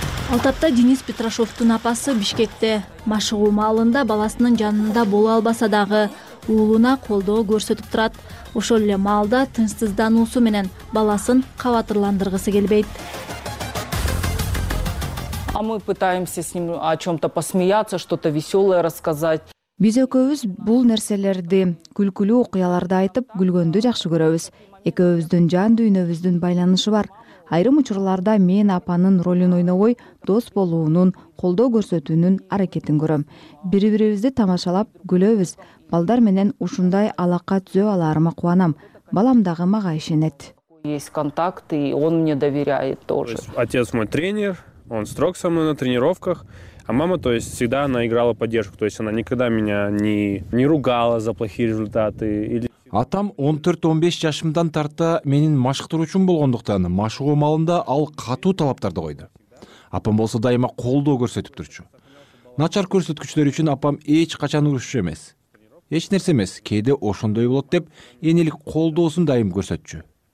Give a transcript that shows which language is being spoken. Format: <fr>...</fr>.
<ky>Алтапта Денис Петрашовтун апасы Бишкекте машыгуу маалында баласынын жанында боло албаса дагы уулуна колдоо көрсөтүп турат. Ошол эле маалда тынчсыздануусу менен баласын кабатырландыргысы келбейт.</ky> <ru>А мы пытаемся с ним о чем-то посмеяться, что-то веселое рассказать.</ru> <ky>Биз экөөбүз бул нерселерди, күлкүлүү окуяларды айтып, күлгөндү жакшы көрөбүз. Экөөбүздүн жан дүйнөбүздүн байланышы бар. Айрым учурларда мен апанын ролун ойногой, дос болуунун, колдоо көрсөтүүнүн аракетин көрөм. Бири-бирибизди тамашалап күлөбүз. Балдар менен ушундай алака түзөп аларыма кубанам. Балам дагы мага ишенет.</ky> <ru>Есть контакт, и он мне доверяет тоже. Отец мой тренер, он строг со мной на тренировках. А мама, то есть, всегда она играла поддержку. То есть, она никогда меня не ругала за плохие результаты.</ru> <ky>Атам 14-15 жашымдан тарта менин машыктыруучум болгондуктан, машыгуу маалында ал катуу талаптарды койду. Апам болсо дайыма колдоо көрсөтүп турчу. Начар көрсөткүчтөр үчүн апам эч качан урушчу эмес. Эч нерсе эмес, кээде ошондой болот деп энелик колдоосун дайым көрсөтчү.</ky>